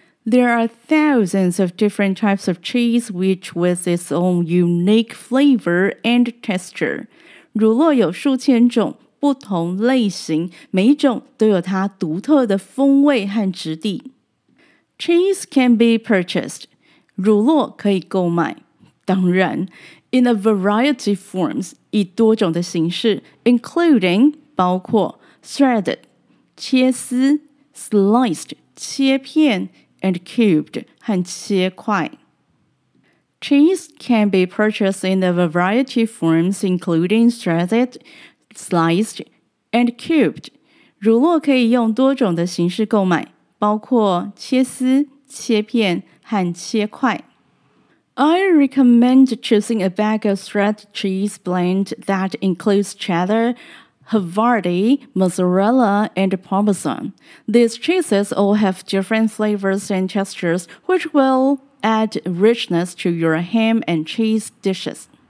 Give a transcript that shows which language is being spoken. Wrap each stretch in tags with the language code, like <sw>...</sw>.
<en>There are thousands of different types of cheese, which with its own unique flavor and texture.</en> <zh>乳酪有数千种不同类型，每一种都有它独特的风味和质地。</zh> <en>Cheese can be purchased.</en> <zh>乳酪可以购买。当然 ,</zh> <en>in a variety of forms,</en> <zh>以多种的形式 ,</zh> <en>including,</en> <zh>包括</zh> <en>shredded,</en> <zh>切丝 ,</zh> <en>sliced,</en> <zh>切片</zh> <en>and cubed,</en> <zh>和切块。</zh> <en>Cheese can be purchased in a variety of forms, including shredded, sliced, and cubed.</en> <zh>乳酪可以用多种的形式购买，包括切丝、切片和切块。</zh> <en>I recommend choosing a bag of shredded cheese blend that includes cheddar,Havarti, mozzarella, and parmesan. These cheeses all have different flavors and textures, which will add richness to your ham and cheese dishes.</en>